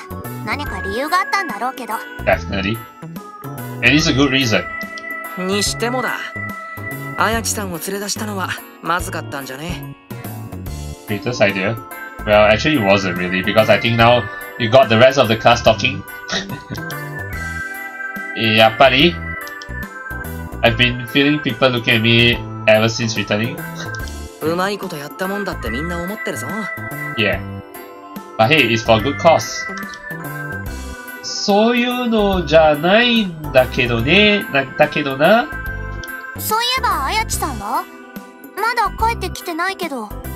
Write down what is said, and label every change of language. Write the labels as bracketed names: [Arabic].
[Japanese] ま、星名がくだらない理由で授業をサボるとも思えないから、何か理由があったんだろうけど。 [English] Definitely. And it's a good reason. [Japanese] にしてもだ。あやちさんを連れ出したのはまずかったんじゃね? [English] Greatest idea? Well, actually it wasn't really, because I think now you got the rest of the class talking. [Japanese] やっぱり? [English] I've been feeling people looking at me ever since returning. [Japanese] うまいことやったもんだってみんな思ってるぞ。 [English] Yeah. But hey, it's for good cause. [Japanese] そういうのじゃないんだけどね、だけどな。そういえば、あやちさんは?まだ帰ってきてないけど。